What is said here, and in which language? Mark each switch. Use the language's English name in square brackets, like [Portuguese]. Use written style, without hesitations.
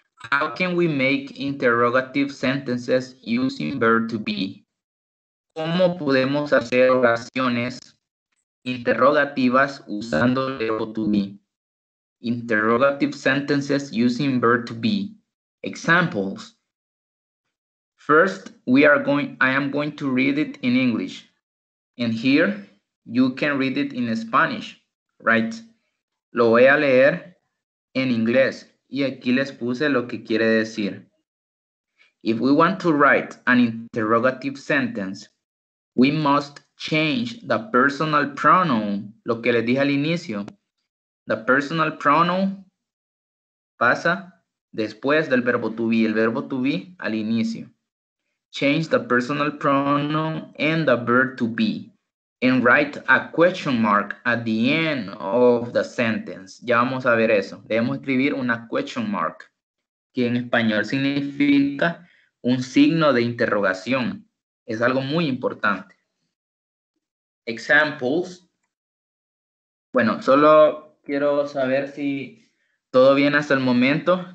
[English] How can we make interrogative sentences using verb to be? [Spanish] ¿Cómo podemos hacer oraciones interrogativas usando el verbo to be? [English] Interrogative sentences using verb to be. Examples. First, I am going to read it in English. And here, you can read it in Spanish, right? [Spanish] Lo voy a leer en inglés. Y aquí les puse lo que quiere decir. [English] If we want to write an interrogative sentence, we must change the personal pronoun, [Spanish] lo que les dije al inicio. [English] The personal pronoun [Spanish] pasa después del verbo to be, el verbo to be al inicio. [English] Change the personal pronoun and the verb to be. And write a question mark at the end of the sentence. [Spanish] Ya vamos a ver eso. Debemos escribir una question mark, que en español significa un signo de interrogación. Es algo muy importante. Examples. Bueno, solo quiero saber si todo bien hasta el momento.